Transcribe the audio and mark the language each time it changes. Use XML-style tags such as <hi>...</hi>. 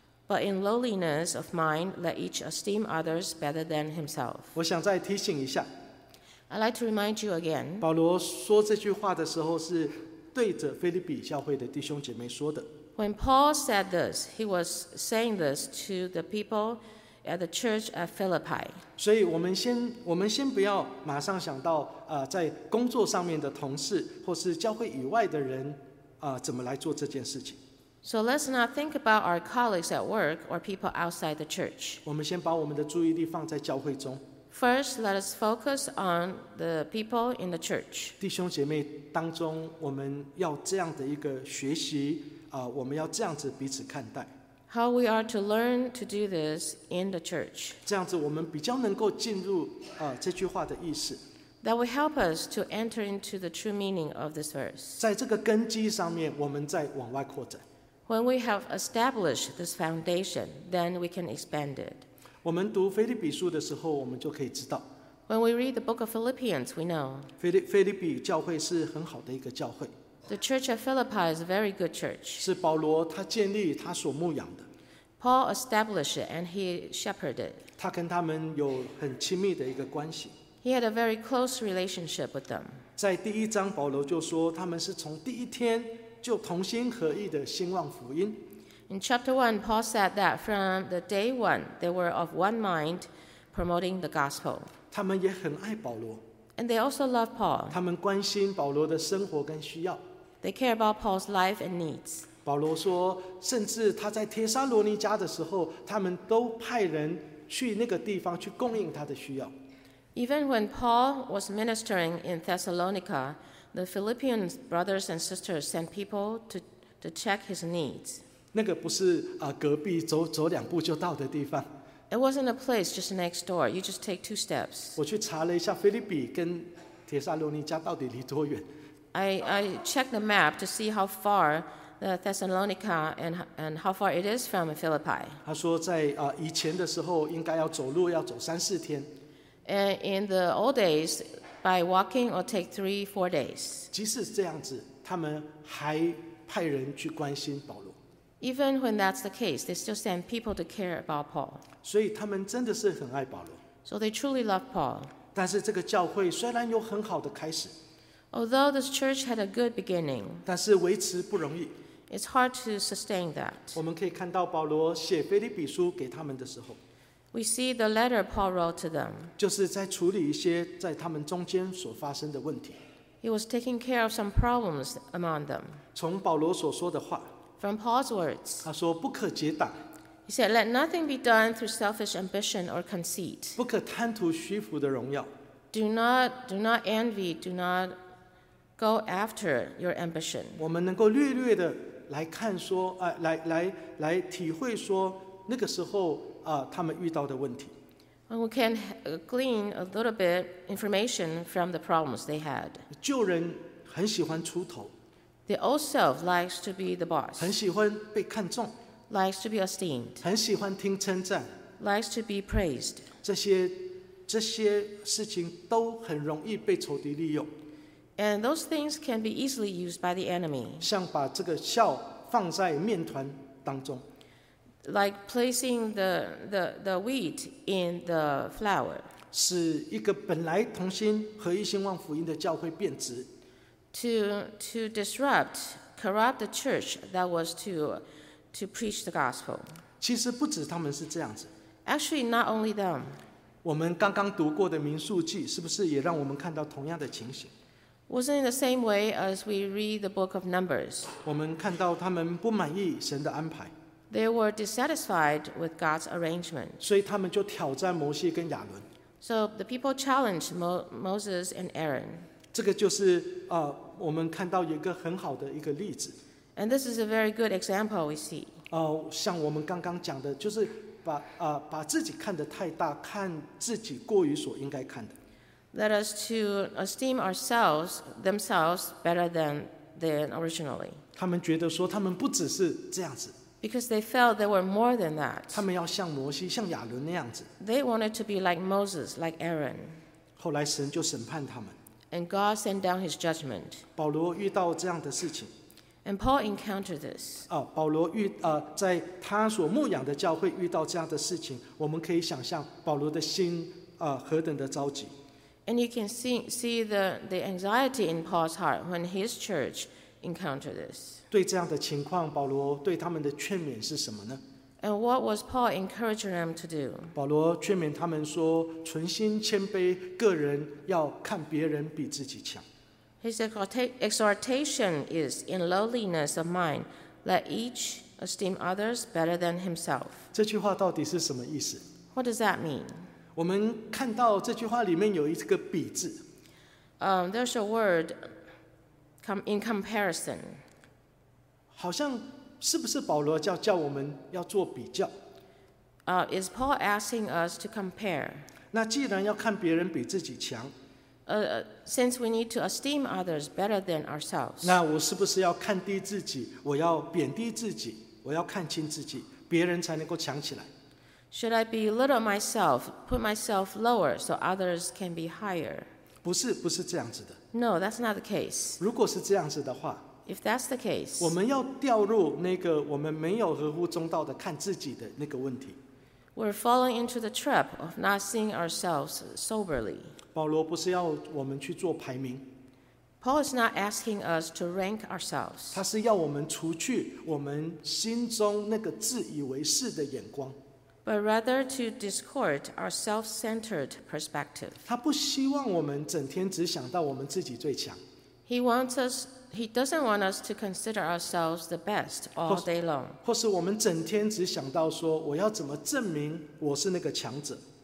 <en>But in lowliness of mind, let each esteem others better than himself.</en> <zh>我想再提醒一下。</zh> <en>I'd like to remind you again.</en> <zh>保罗说这句话的时候是对着腓立比教会的弟兄姐妹说的。</zh> <en>When Paul said this, he was saying this to the people at the church at Philippi.</en> <zh>所以我们先不要马上想到在工作上面的同事或是教会以外的人怎么来做这件事情。</zh> <en>So let's not think about our colleagues at work or people outside the church.</en> <zh>我们先把我们的注意力放在教会中。</zh> <en>First, let us focus on the people in the church.</en> <zh>弟兄姐妹当中，我们要这样的一个学习我们要这样子彼此看待。</zh> <en>How we are to learn to do this in the church.</en> <zh>这样子我们比较能够进入这句话的意思。</zh> <en>That will help us to enter into the true meaning of this verse.</en> <zh>在这个根基上面，我们再往外扩展。</zh> <en>When we have established this foundation, then we can expand it.</en> <zh>我们读腓立比书的时候，我们就可以知道。</zh> <en>When we read the book of Philippians, we know.</en> <zh>腓立比教会是很好的一个教会。</zh> <en>The church at Philippi is a very good church.</en> <zh>是保罗他建立他所牧养的。</zh> <en>Paul established it and he shepherded it.</en> <zh>他跟他们有很亲密的一个关系。</zh> <en>He had a very close relationship with them.</en> <zh>在第一章保罗就说他们是从第一天就同心合意的兴旺福音。</zh> <en>In chapter 1, Paul said that from the day 1, they were of one mind, promoting the gospel.</en> <zh>他们也很爱保罗。</zh> <en>And they also love Paul.</en> <zh>他们关心保罗的生活跟需要。</zh> <en>They care about Paul's life and needs.</en> <zh>保罗说，甚至他在帖撒罗尼迦的时候，他们都派人去那个地方去供应他的需要。</zh> <en>Even when Paul was ministering in Thessalonica, the Philippian brothers and sisters sent people to check his needs.</en> <zh>那个不是隔壁走两步就到的地方。</zh> <en>It wasn't a place just next door. You just take two steps.</en> <zh>我去查了一下腓立比跟帖撒罗尼迦到底离多远。</zh> <en>I checked the map to see how far the Thessalonica and how far it is from Philippi.</en> <zh>他说在以前的时候应该要走路要走三四天。</zh> <en>And in the old days, by walking or take 3-4 days.</en> <zh>即使这样子，他们还派人去关心保罗。</zh> <en>Even when that's the case, they still send people to care about Paul.</en> <zh>所以他们真的是很爱保罗。</zh> <en>So they truly love Paul.</en> <zh>但是这个教会虽然有很好的开始。</zh> <en>Although this church had a good beginning,</en> <zh>但是维持不容易。</zh> <en>It's hard to sustain that.</en> <zh>我们可以看到保罗写腓立比书给他们的时候。</zh> <en>We see the letter Paul wrote to them.</en> <zh>就是在处理一些在他们中间所发生的问题。</zh> <en>He was taking care of some problems among them.</en> <zh>从保罗所说的话。</zh> <en>From Paul's words.</en> <zh>他说不可结党。</zh> <en>He said, let nothing be done through selfish ambition or conceit.</en> <zh>不可贪图虚浮的荣耀。</zh> <en>Do not envy, do not go after your ambition.</en> <zh>我们能够略略的来看说，来体会说那个时候他们遇到的问题。</zh> <en>And we can glean a little bit information from the problems they had.</en> <zh>旧人很喜欢出头。</zh> <en>The old self likes to be the boss.</en> <zh>很喜欢被看重。</zh> <en>Likes to be esteemed.</en> <zh>很喜欢听称赞。</zh> <en>Likes to be praised.</en> <zh>这些事情都很容易被仇敌利用。</zh> <en>And those things can be easily used by the enemy.</en> <zh>像把这个笑放在面团当中。</zh> <en>Like placing the wheat in the flour,</en> <zh>使一个本来同心合一兴旺福音的教会变质。</zh> <en>To disrupt, corrupt the church that was to preach the gospel.</en> <zh>其实不止他们是这样子。</zh> <en>Actually, not only them.</en> <zh>我们刚刚读过的民数记，是不是也让我们看到同样的情形？</zh> <en>Wasn't in the same way as we read the book of Numbers.</en> <zh>我们看到他们不满意神的安排。</zh> <en>They were dissatisfied with God's arrangement.</en> <zh>所以他们就挑战摩西跟亚伦。</zh> <en>So the people challenged Moses and Aaron.</en> <zh>这个就是我们看到一个很好的一个例子。</zh> <en>And this is a very good example we see.</en> <zh>像我们刚刚讲的，就是把自己看得太大，看自己过于所应该看的。</zh> <en>Let us to esteem themselves better than originally.</en> <zh>他们觉得说他们不只是这样子。</zh> <en>Because they felt they were more than that.</en> <zh>他们要像摩西，像亚伦那样子。</zh> <en>They wanted to be like Moses, like Aaron.</en> <zh>后来神就审判他们。</zh> <en>And God sent down his judgment.</en> <zh>保罗遇到这样的事情。</zh> <en>And Paul encountered this.</en> <zh>保罗在他所牧养的教会遇到这样的事情，我们可以想象保罗的心何等的着急。</zh> <en>And you can see the anxiety in Paul's heart when his church encountered this.</en> <zh>对这样的情况，保罗对他们的劝勉是什么呢？</zh> <en>And what was Paul encouraging them to do?</en> <zh>保罗劝勉他们说，存心谦卑，个人要看别人比自己强。</zh> <en>His exhortation is, in lowliness of mind, let each esteem others better than himself.</en> <zh>这句话到底是什么意思？</zh> <en>What does that mean?</en> <zh>我们看到这句话里面有一个比字。</zh> <en>There's a word in comparison.</en> <zh>好像是不是保罗叫我们要做比较？</zh> <en>Is Paul asking us to compare?</en> <zh>那既然要看别人比自己强，</zh> <en>Since we need to esteem others better than ourselves.</en> <zh>那我是不是要看低自己，我要贬低自己，我要看清自己，别人才能够强起来。</zh> <en>Should I belittle myself, put myself lower so others can be higher?</en> <zh>不是这样子的。</zh> <en>No, that's not the case.</en> <zh>如果是这样子的话，</zh> <en>If that's the case,</en> <zh>我们要掉入那个我们没有合乎中道的看自己的那个问题。</zh> <en>We're falling into the trap of not seeing ourselves soberly.</en> <zh>保罗不是要我们去做排名。</zh> <en>Paul is not asking us to rank ourselves.</en> <zh>他是要我们除去我们心中那个自以为是的眼光。</zh> <en>but rather to discord our self-centered perspective.</en> <zh>他不希望我们整天只想到我们自己最强。</zh> <en>He wants us, he doesn't want us to consider ourselves the best all day long.</en> <zh>或是我们整天只想到说我要怎么证明我是那个强者。</zh>